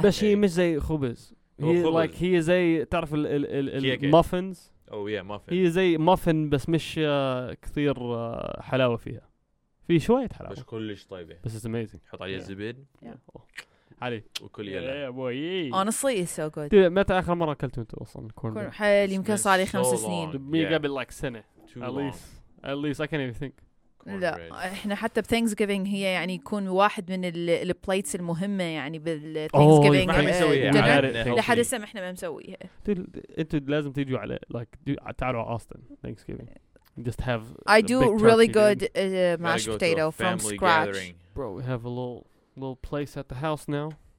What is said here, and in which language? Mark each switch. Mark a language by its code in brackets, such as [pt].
[ar] بس هي مش زي خبز هي like هي زي تعرف ال ال ال muffins [en] oh yeah muffin [ar] هي زي muffin بس مش كثير حلاوة فيها في شوية حلاوة بس كلش طيبة [en] بس it's amazing [ar] حط عليها زبد علي وكل يلا [en] honestly it's so good [ar] dude متى آخر مرة أكلت أنت أصلاً كورن حيل يمكن صار لي 5 سنين قبل [en] like [ar] سنة [en] at least I can't even think [ar] لا إحنا حتى ب Thanksgiving هي يعني يكون واحد من ال plates المهمة يعني بال Thanksgiving لحد هسه إحنا ما مسويها أنت لازم تيجوا على like تعالوا Austin Thanksgiving [en] just have I do really good mashed potato from scratch bro we have a little place at the house now.